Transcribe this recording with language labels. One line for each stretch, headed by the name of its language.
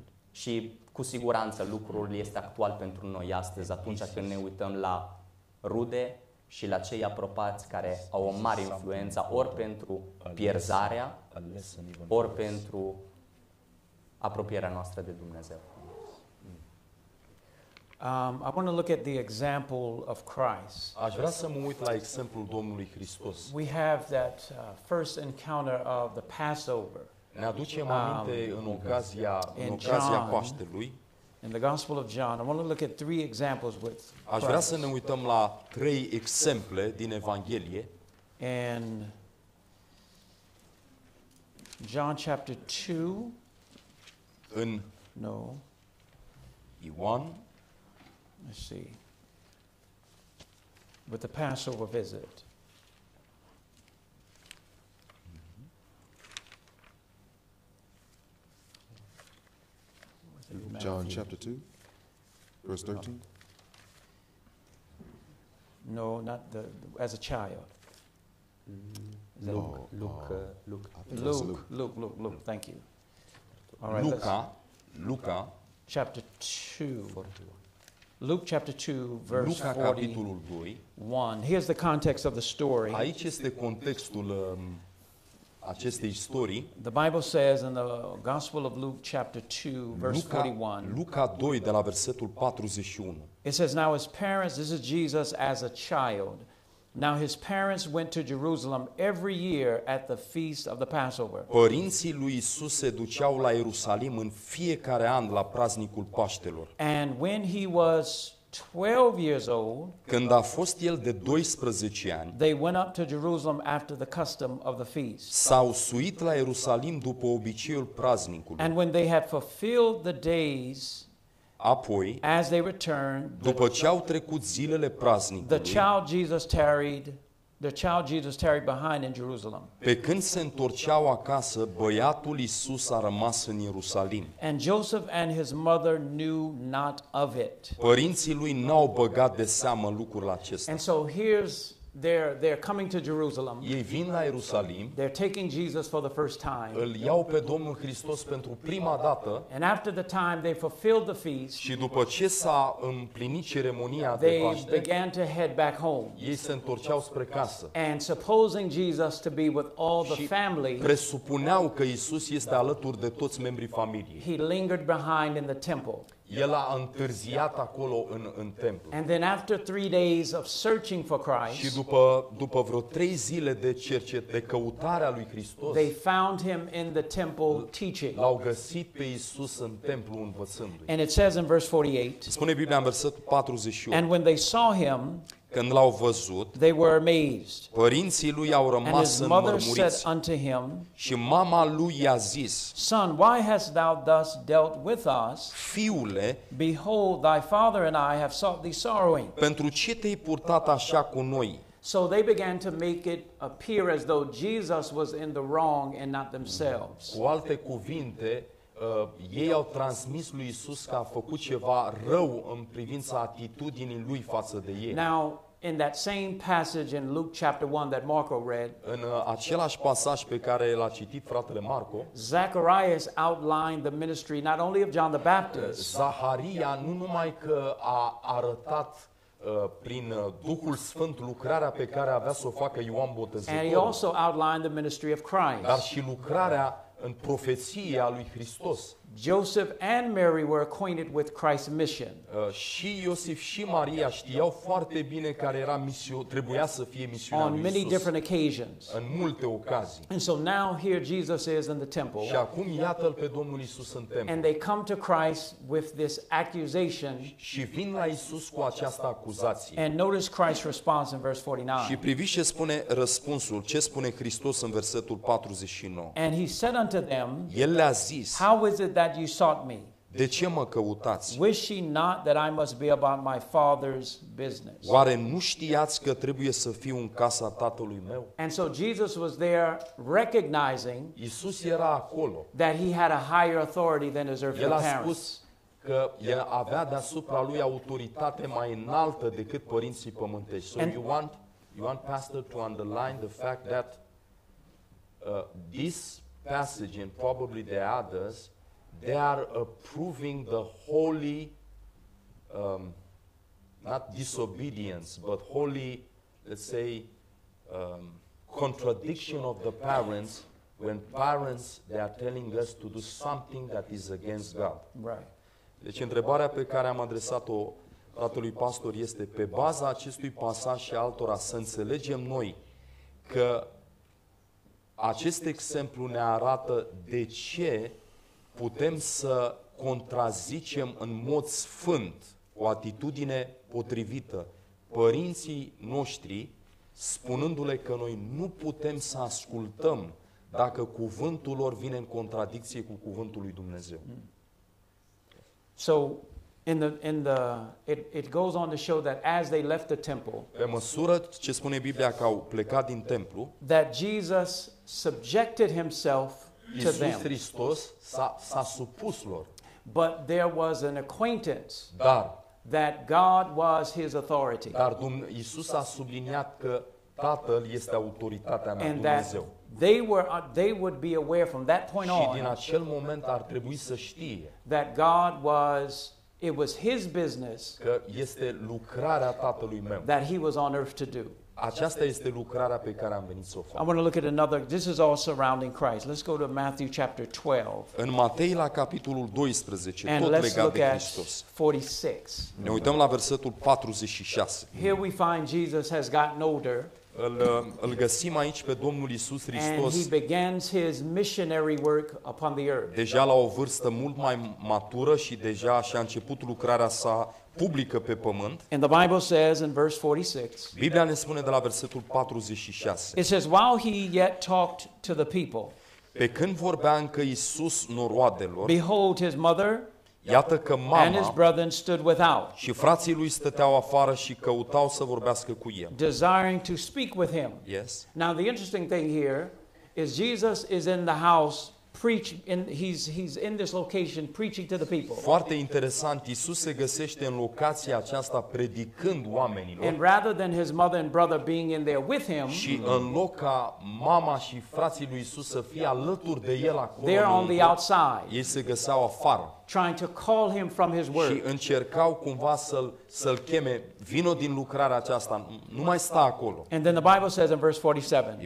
Romanian: Și cu siguranță lucrul este actual pentru noi astăzi, atunci când ne uităm la rude și la cei apropiați care au o mare influență ori pentru pierzarea, ori pentru apropierea noastră de Dumnezeu.
English: I want to look at the example of Christ.
Romanian: Aș vrea să mă uit la exemplul Domnului Hristos.
English: We have that first encounter of the Passover.
Romanian: Ne aducem aminte în ocazia, în ocazia Paștelui.
English: In the Gospel of John, I want to look at three examples with Christ.
Romanian: Aș vrea să ne uităm la trei exemple din Evanghelie.
English: In John chapter 2.
Romanian: În
English: no.
Romanian: Ioan.
English: Let's see. With the Passover visit. John chapter 2, verse 13. No, not the, as a child. No, Luke. Thank you. All right, Luca. Chapter 2. Luke chapter 2, verse
Romanian: Luca,
English: 41. Here's the context of the story.
Romanian: Aici este contextul acestei istorii.
English: The Bible says in the Gospel of Luke chapter 2, verse 41.
Romanian: Luca 2, de la versetul 41.
English: It says, now his parents, this is Jesus as a child. Now his parents went to Jerusalem every year at the feast of the Passover.
Romanian: Părinții lui Isus se duceau la Ierusalim în fiecare an la praznicul Paștelor.
English: And when he was 12 years old,
Romanian: când a fost el de 12 ani,
English: they went up to Jerusalem after the custom of the feast.
Romanian: S-au suit la Ierusalim după obiceiul praznicului.
English: And when they had fulfilled the days,
Romanian: apoi,
English: as they returned,
Romanian: după ce au trecut zilele praznicului,
English: the child Jesus tarried behind in Jerusalem.
Romanian: Pe când se întorceau acasă, băiatul Iisus a rămas în Ierusalim.
English: And Joseph and his mother knew not of it.
Romanian: Părinții lui n-au băgat de seamă lucrul acesta.
English: And so here's they're coming to Jerusalem.
Romanian: Ei vin la Ierusalim.
English: They're taking Jesus for the first time.
Romanian: Îl iau pe Domnul Hristos pentru prima dată.
English: And after the time they fulfilled the feast.
Romanian: Și după ce s-a împlinit ceremonia de
English: Paște, they began to head back home.
Romanian: Ei se întorceau spre casă.
English: And supposing Jesus to be with all the family.
Romanian: Presupuneau că Iisus este alături de toți membrii familiei.
English: He lingered behind in the temple.
Romanian: El a întârziat acolo în templu.
English: And then after 3 days of searching for Christ.
Romanian: Și după vreo 3 zile de cercetare, de căutarea lui Hristos.
English: They found him in the temple teaching.
Romanian: L-au găsit pe Iisus în templu învățându-i.
English: And it says in verse 48.
Romanian: Spune Biblia în versetul 48.
English: And when they saw him,
Romanian: când l-au văzut,
English: they were amazed.
Romanian: Părinții lui au rămas înmărmuriți. Și mama lui i-a zis,
English: son, why hast thou thus dealt with us?
Romanian: Fiule,
English: behold, thy father and I have sought thee sorrowing.
Romanian: Pentru ce te-ai purtat așa cu noi?
English: So they began to make it appear as though Jesus was in the wrong and not themselves.
Romanian: Cu alte cuvinte, ei au transmis lui Iisus că a făcut ceva rău în privința atitudinii lui față de ei.
English: Now, in that same passage in Luke chapter 1 that Marco read,
Romanian: în același pasaj pe care l-a citit fratele Marco,
English: Zacharias outlined the ministry not only of John the Baptist.
Romanian: Zaharia nu numai că a arătat prin Duhul Sfânt lucrarea pe care avea să o facă Ioan Botezătorul.
English: And he also outlined the ministry of Christ.
Romanian: Dar și lucrarea în profeția lui Hristos.
English: Joseph and Mary were acquainted with Christ's mission.
Romanian: Și Iosif și Maria știau foarte bine care era trebuia să fie misiunea lui Iisus.
English: On many different occasions.
Romanian: În multe ocazii.
English: And so now here Jesus is in the temple.
Romanian: Și acum iată-l pe Domnul Iisus în templu.
English: And they come to Christ with this accusation.
Romanian: Și vin la Iisus cu această acuzație.
English: And notice Christ's response in verse 49.
Romanian: Și priviți ce spune răspunsul, ce spune Hristos în versetul 49.
English: And he said unto them,
Romanian: el le-a zis,
English: how is it that you sought me?
Romanian: De ce mă căutați?
English: Wish ye not that I must be about my father's business?
Romanian: Oare nu știați că trebuie să fiu în casa tatălui meu?
English: And so Jesus was there recognizing,
Romanian: Iisus era acolo,
English: that he had a higher authority than his earthly parents.
Romanian: El a spus că el avea deasupra lui autoritate mai înaltă decât părinții pământești.
English: So you want pastor to underline the fact that this passage and probably the others, they are approving the holy, not disobedience, but holy, let's say, contradiction of the parents, when parents, they are telling us to do something that is against God. Right.
Romanian: Deci întrebarea pe care am adresat-o tatălui pastor este pe baza acestui pasaj și altora să înțelegem noi că acest exemplu ne arată de ce putem să contrazicem în mod sfânt, o atitudine potrivită, părinții noștri, spunându-le că noi nu putem să ascultăm dacă cuvântul lor vine în contradicție cu cuvântul lui Dumnezeu.
English: So in the it goes on to show that as they left the temple,
Romanian: pe măsură ce spune Biblia că au plecat din templu,
English: that Jesus subjected himself to them.
Romanian: Iisus Hristos s-a supus lor.
English: But there was an acquaintance.
Romanian: Dar
English: that God was his authority.
Romanian: Dar Iisus a subliniat că Tatăl este autoritatea mea,
English: and
Romanian: Dumnezeu.
English: They would be aware from that point on.
Romanian: Și din acel moment ar trebui să știe
English: that God was, it was his business.
Romanian: Că este lucrarea Tatălui meu.
English: That he was on earth to do.
Romanian: Aceasta este lucrarea pe care am venit să o fac.
English: I want to look at another. This is all surrounding Christ. Let's go to Matthew chapter 12.
Romanian: În Matei la capitolul 12, tot legat de Hristos.
English: 46.
Romanian: Ne uităm la versetul 46.
English: Here we find Jesus has gotten older.
Romanian: Îl găsim aici pe Domnul Iisus Hristos.
English: And he begins his missionary work upon the earth.
Romanian: Deja la o vârstă mult mai matură și deja și-a început lucrarea sa publică pe pământ.
English: And the Bible says in verse 46.
Romanian: Biblia ne spune de la versetul 46.
English: It says while he yet talked to the people.
Romanian: Pe când vorbea încă Iisus noroadelor.
English: Behold his mother.
Romanian: Iată că mama
English: and his brethren stood without.
Romanian: Și frații lui stăteau afară și căutau să vorbească cu el.
English: Desiring to speak with him. Yes. Now the interesting thing here is Jesus is in the house he's in this location preaching to the people.
Romanian: Foarte interesant, Iisus se găsește în locația aceasta predicând oamenilor.
English: And rather than his mother and brother being in there with him,
Romanian: și în loc ca mama și frații lui Iisus să fie alături de el acolo,
English: they're on the outside.
Romanian: Ei se găseau afară.
English: Trying to call him from his work.
Romanian: Și încercau cumva să-l cheme, vino din lucrarea aceasta, nu mai sta acolo.
English: And then the Bible says in verse 47.